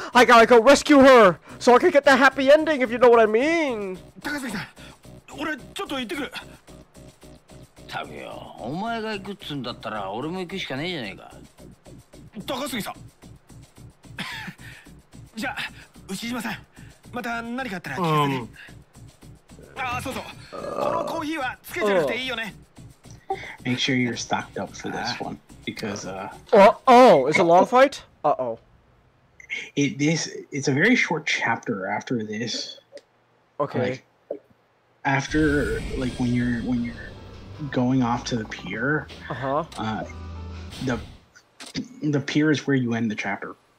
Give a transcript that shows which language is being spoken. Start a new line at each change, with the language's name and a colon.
English: I gotta go rescue her so I can get the happy ending, if you know what I mean!
Japanese: 高杉さん、俺ちょっと行ってくる。たくよ、お前が行くっつんだったら俺も行くしかねえじゃねえか。高杉さん。じゃあ、牛島さん、また何かあったら聞かせて。ああ、そうそう。このコーヒーはつけちゃなくていいよね。
English: Make sure you're stocked up for this one, because, It's a long fight? It's a very short chapter after this. Okay. Like, after, like, when you're going off to the pier, the pier is where you end the chapter.